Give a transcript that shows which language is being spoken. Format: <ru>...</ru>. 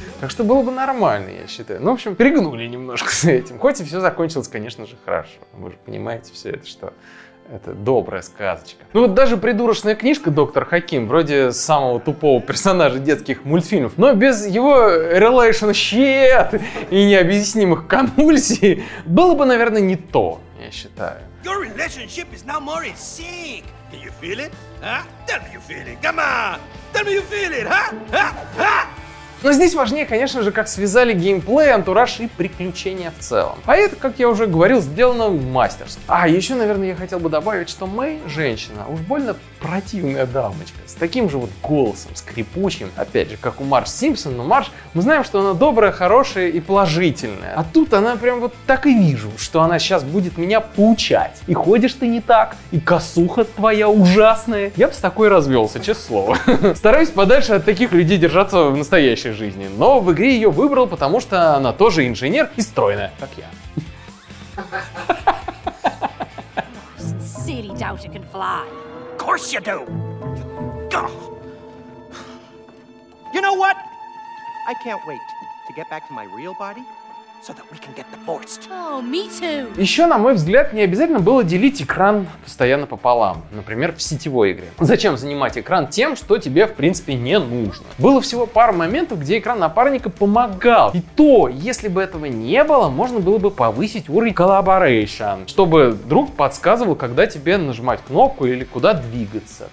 <ru>Так что было бы нормально, я считаю. Ну, в общем, перегнули немножко с этим. Хоть и все закончилось, конечно же, хорошо. Вы же понимаете все это, что... Это добрая сказочка. Ну вот даже придурочная книжка «Доктор Хаким» вроде самого тупого персонажа детских мультфильмов, но без его relationship и необъяснимых конвульсий было бы, наверное, не то, я считаю.</ru> <en>Your relationship is now more in sync. Can you feel it? Huh? Tell me you feel it. Come on. Tell me you feel it, huh? Huh? Huh?</en> <ru>Но здесь важнее, конечно же, как связали геймплей, антураж и приключения в целом. А это, как я уже говорил, сделано мастерски. А, еще, наверное, я хотел бы добавить, что Мэй, женщина, уж больно противная дамочка. С таким же вот голосом, скрипучим, опять же, как у Марш Симпсон. Но Марш, мы знаем, что она добрая, хорошая и положительная. А тут она прям вот так и вижу, что она сейчас будет меня поучать. И ходишь ты не так, и косуха твоя ужасная. Я бы с такой развелся, честное слово. Стараюсь подальше от таких людей держаться в настоящем жизни, но в игре ее выбрал, потому что она тоже инженер и стройная, как я.</ru> <en>City doubt you can fly. Of course you do. You know what? I can't wait to get back to my real body. So that we can get divorced. Oh, me too.</en> <ru>Еще, на мой взгляд, не обязательно было делить экран постоянно пополам, например, в сетевой игре. Зачем занимать экран тем, что тебе, в принципе, не нужно? Было всего пару моментов, где экран напарника помогал. И то, если бы этого не было, можно было бы повысить уровень collaboration, чтобы друг подсказывал, когда тебе нажимать кнопку или куда двигаться.</ru>